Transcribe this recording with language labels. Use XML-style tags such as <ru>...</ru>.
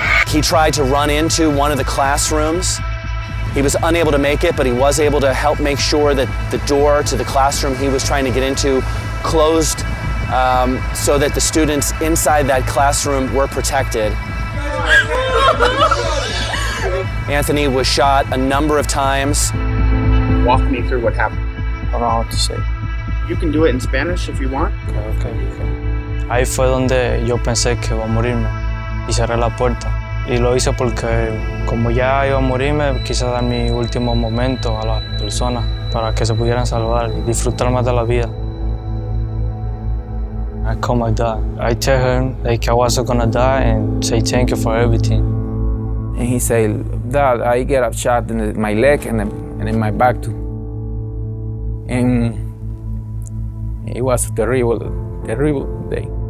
<en>He tried to run into one of the classrooms. He was unable to make it, but he was able to help make sure that the door to the classroom he was trying to get into closed so that the students inside that classroom were protected. Anthony was shot a number of times. Walk me through what happened. What I have to say. You can do it in Spanish if you want. Okay.</en> <es>Ahí fue donde yo pensé que iba a morirme y cerré la puerta. Y lo hice porque como ya iba a morirme, quise dar mi último momento a las personas para que se pudieran salvar y disfrutar más de la vida.</es> <en>I call my dad. I tell him like I wasn't gonna die and say thank you for everything. And he said, "Dad, I get up shot in my leg and in my back too." And it was a terrible, terrible day.</en>